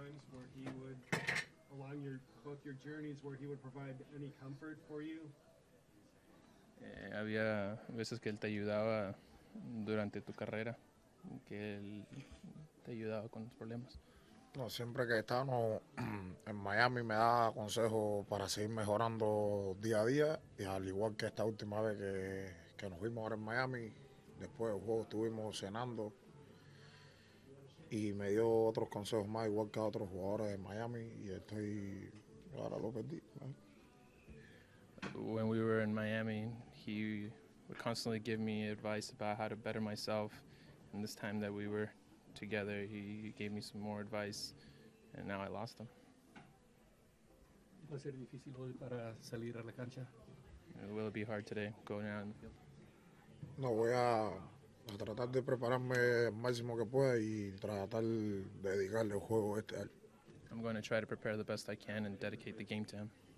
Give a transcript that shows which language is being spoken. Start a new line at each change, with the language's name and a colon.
English: Where he would, along your both your journeys, where he would provide any comfort for you?
Spanish: Había veces que él te ayudaba durante tu carrera, que él te ayudaba con los problemas. No, siempre que estábamos en Miami me daba consejos para seguir mejorando día a día, y al igual que esta última vez que nos vimos ahora en Miami, después del juego estuvimos cenando, y me dio otros consejos más, igual que a otros jugadores de Miami, y estoy, ahora lo perdí.
English: When we were in Miami, he would constantly give me advice about how to better myself, and this time that we were together, he gave me some more advice, and now I lost him.
Spanish: ¿Va a ser difícil hoy para salir a la cancha?
English: Will it be hard today, going out in the field?
Spanish: No, voy a tratar de prepararme el máximo que pueda y tratar de dedicarle el juego este a él.
English: I'm going to try to prepare the best I can and dedicate the game to him.